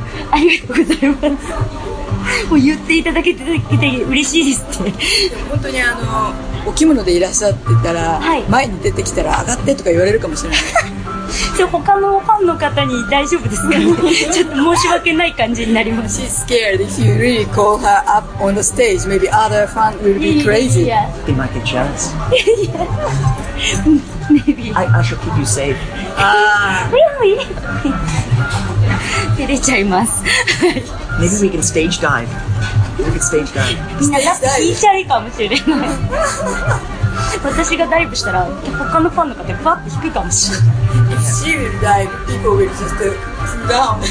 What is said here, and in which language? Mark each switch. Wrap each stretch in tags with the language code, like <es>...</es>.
<ja>ありがとうございます。もう言っていただけて嬉しいですって。本当にあのお着物でいらっしゃってたら、はい、前に出てきたら上がってとか言われるかもしれない。じゃ他のファンの方に大丈夫ですか、ね、ちょっと申し訳ない感じになります。</ja> <en>She's scared if you really call her up on the stage, maybe other fans will be crazy. They might get jealous. Maybe. I shall keep you safe. Ah. Really?</en> <ja>照れちゃいます。</ja> <en>Maybe we can stage dive. We can stage dive.</en> <ja>みんなやっぱ聞いちゃうかもしれない。私がダイブしたら他のファンの方がバッて引くかもしれない。</ja> <en>If she will dive, people will just down.</en>